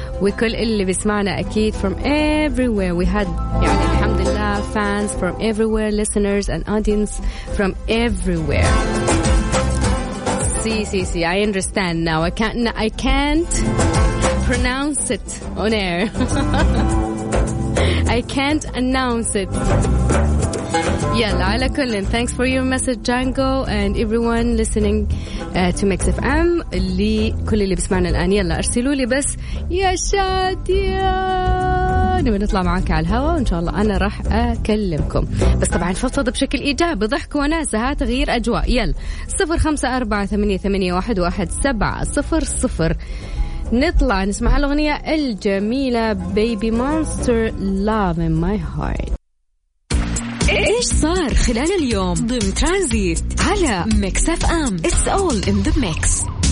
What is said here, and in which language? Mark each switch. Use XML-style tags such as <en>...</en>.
<ar>وكل اللي بسمعنا اكيد</ar> <en>from everywhere. We had</en> <ar>يعني الحمد لله</ar> <en>fans from everywhere, listeners and audience from everywhere. See, I understand now. I can't pronounce it on air. I can't announce it.</en> <ar>يلا على كل،</ar> <en>thanks for your message Django and everyone listening to Mix FM.</en> <ar>اللي كل اللي بسمعنا الآن يلا أرسلوا لي بس يا شادية، نبي نطلع معاك على الهواء وإن شاء الله أنا راح أكلمكم، بس طبعا فضفض بشكل إيجابي، ضحك وناسة، ها تغيير أجواء. يلا 0548811700. نطلع نسمع الأغنية الجميلة Baby Monster Love in My Heart. إيش صار خلال اليوم ضم ترانزيت على Mix FM.</ar> <en>It's all in the mix.</en>